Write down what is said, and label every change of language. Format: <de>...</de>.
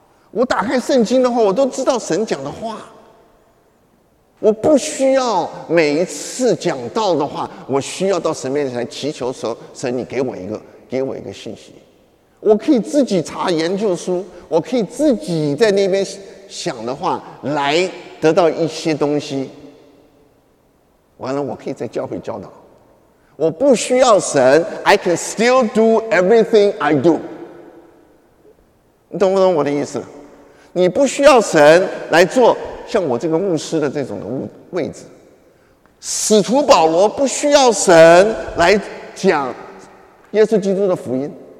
<zh>我打开圣经的话，我都知道神讲的话。我不需要每一次讲道的话，我需要到神面前祈求说，神你给我一个信息。我可以自己查研究书，我可以自己在那边想的话来得到一些东西，完了我可以在教会教导。我不需要神，</zh> <en>I can still do everything I do。</en> <zh>你懂不懂我的意思？你不需要神来做像我这个牧师的这种的位置。使徒保罗不需要神来讲耶稣基督的福音。</zh>